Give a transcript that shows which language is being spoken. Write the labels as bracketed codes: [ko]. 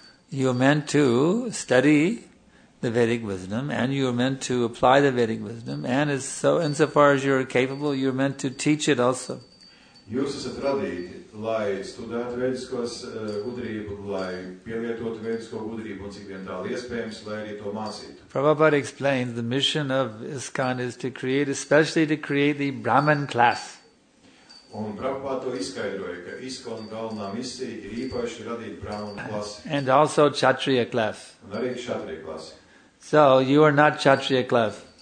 [en] You are meant to study the Vedic wisdom, and you are meant to apply the Vedic wisdom, and is so insofar as you are capable, you are meant to teach it also. [lv] Jūs esat radīti, lai studētu vēdiskos gudrību, lai pielietotu vēdisko gudrību, un cik vien tāli iespējams, lai arī to mācītu. [en] Prabhupada explains, the mission of ISKCON is to create, especially to create the Brahman class. [lv] Un Prabhupada to izskaidroja, ka ISKCON galvenā misija ir īpaši radīt Brahman klasi. [en] And also Kshatriya class. [lv] Un arī Kshatriya klasi. [en] So, you are not Kshatriya class.